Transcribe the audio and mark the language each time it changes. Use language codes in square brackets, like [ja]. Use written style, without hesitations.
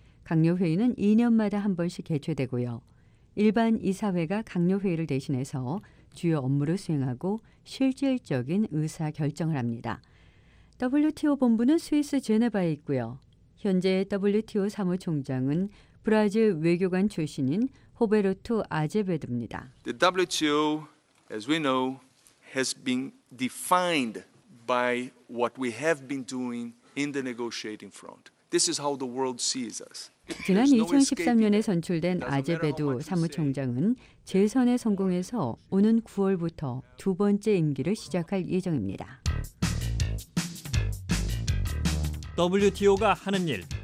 [ko] 강요회의는 2년마다 한 번씩 개최되고요. 일반 이사회가 강요회의를 대신해서 주요 업무를 수행하고 실질적인 의사결정을 합니다. WTO 본부는 스위스 제네바에 있고요. 현재 WTO 사무총장은 브라질 외교관 출신인 호베르토 아제베드입니다. [en] The WTO, as we know, has been defined by what we have been doing in the negotiating front. This is how the world sees us. [ko] 지난 2013년에 선출된 아제베드 사무총장은 재선에 성공해서 오는 9월부터 두 번째 임기를 시작할 예정입니다. WTO가 하는 일.